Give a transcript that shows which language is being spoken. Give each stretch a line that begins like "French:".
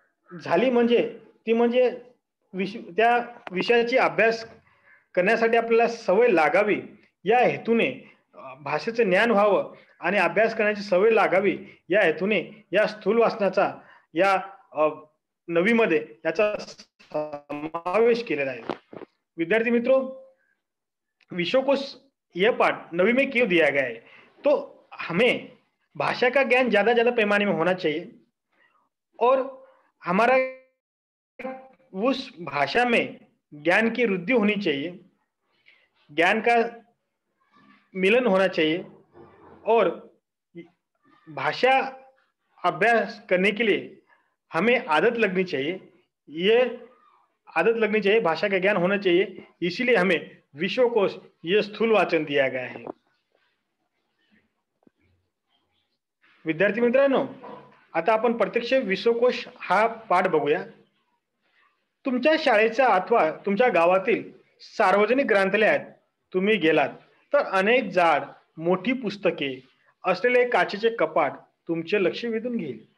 Marathi: झाली म्हणजे ती म्हणजे त्या विषयाची अभ्यास करण्यासाठी आपल्याला सवय लागावी या हेतूने, भाषेचं ज्ञान व्हावं आणि अभ्यास करण्याची सवय लागावी या हेतूने या स्थूल वाचनाचा या नवीमध्ये याचा समावेश केलेला आहे.
Hindi: विद्यार्थी मित्र, विश्वकोश यह पाठ नवी में क्यों दिया गया है? तो हमें भाषा का ज्ञान ज्यादा ज्यादा पैमाने में होना चाहिए और हमारा उस भाषा में ज्ञान की वृद्धि होनी चाहिए, ज्ञान का मिलन होना चाहिए और भाषा अभ्यास करने के लिए हमें आदत लगनी चाहिए, ये आदत लगनी चाहिए, भाषा का ज्ञान होना चाहिए, इसीलिए हमें विश्वकोश यह स्थूल वाचन दिया गया है.
Marathi: विद्यार्थी मित्रांनो, आता आपण प्रत्यक्ष विश्वकोश हा पाठ बघूया. तुमच्या शाळेचा अथवा तुमच्या गावातील सार्वजनिक ग्रंथालयात तुम्ही गेलात तर अनेक जाड मोठी पुस्तके असलेले काचेचे कपाट तुमचे लक्ष वेधून घेईल.